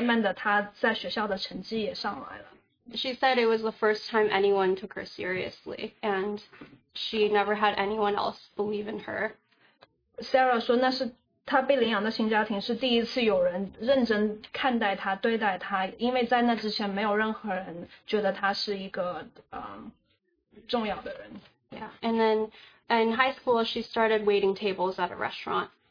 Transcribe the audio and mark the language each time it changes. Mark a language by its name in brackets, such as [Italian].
[Chinese] 所以她现在被领养在了一个新的家庭，然后她新的养父就会开始教养她，然后慢慢的她在学校的成绩也上来了。 [English] She said it was the first time anyone took her seriously, and she never had anyone else believe in her. [Chinese] Sarah 说那是她被领养的新家庭是第一次有人认真看待她，对待她，因为在那之前没有任何人觉得她是一个重要的人。 [English] Yeah. And then in high school, she started waiting tables at a restaurant.